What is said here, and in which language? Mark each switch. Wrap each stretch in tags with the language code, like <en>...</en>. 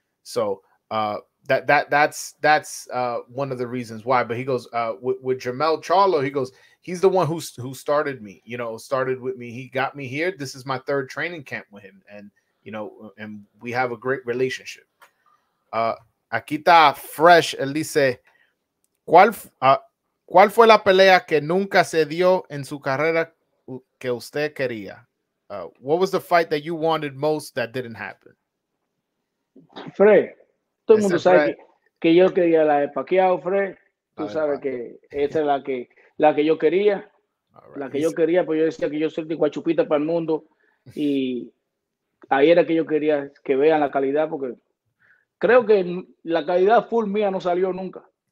<en>So that's one of the reasons why. But he goes, with Jermell Charlo, he goes, he's the one who started me, you know, started with me. He got me here. This is my third training camp with him. And, you know, and we have a great relationship.</en> <es>Akita Fresh, él dice, ¿Cuál fue la pelea que nunca se dio en su carrera que usted quería?</es> <en>What was the fight that you wanted most that didn't happen?</en> <es>Fred, todo el mundo sabe que yo quería la de Pacquiao, Fred. Tú sabes que esa es la que yo quería. La que yo quería, pues yo decía que yo soy de guachupita para el mundo. Y ahí era que yo quería que vean la calidad, porque creo que la calidad full mía no salió nunca.</es>